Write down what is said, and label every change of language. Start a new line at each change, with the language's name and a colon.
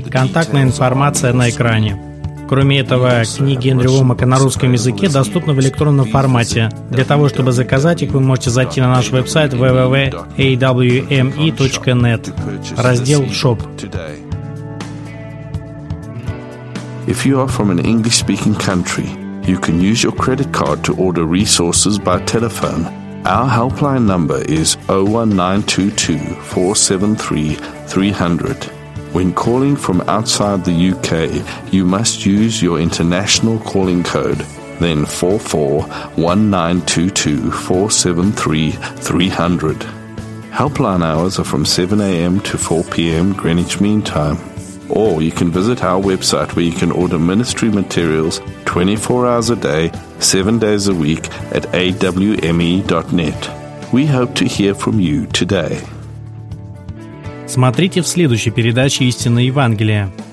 Russian: Контактная информация на экране. Кроме этого, книги Эндрю Вомака на русском языке доступны в электронном формате. Для того, чтобы заказать их, вы можете зайти на наш веб-сайт www.awme.net, раздел «Shop».
English: If you are from an English-speaking country, you can use your credit card to order resources by telephone. Our helpline number is 01922-473-300. When calling from outside the UK, you must use your international calling code, then 44-1922-473-300. Helpline hours are from 7 a.m. to 4 p.m. Greenwich Mean Time. Or you can visit our website where you can order ministry materials 24 hours a day, 7 days a week at awme.net. We hope to hear from you today.
Russian: Смотрите в следующей передаче «Истина Евангелия».